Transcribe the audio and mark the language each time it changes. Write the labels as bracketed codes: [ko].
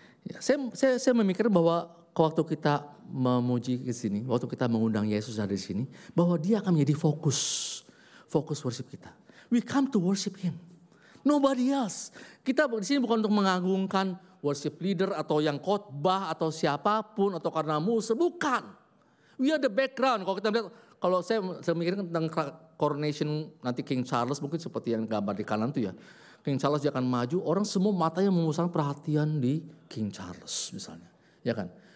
[id] Ya, saya memikir bahwa waktu kita memuji ke sini, waktu kita mengundang Yesus dari sini, bahwa dia akan menjadi fokus, fokus worship kita. [en] We come to worship him, nobody else. [id] Kita di sini bukan untuk mengagungkan worship leader atau yang khotbah atau siapapun atau karena musuh, bukan. [en] We are the background. [id] Kalau kita melihat, kalau saya memikirkan tentang coronation nanti King Charles, mungkin seperti yang gambar di kanan itu ya, King Charles dia akan maju, orang semua matanya memusatkan perhatian di King Charles misalnya, ya kan?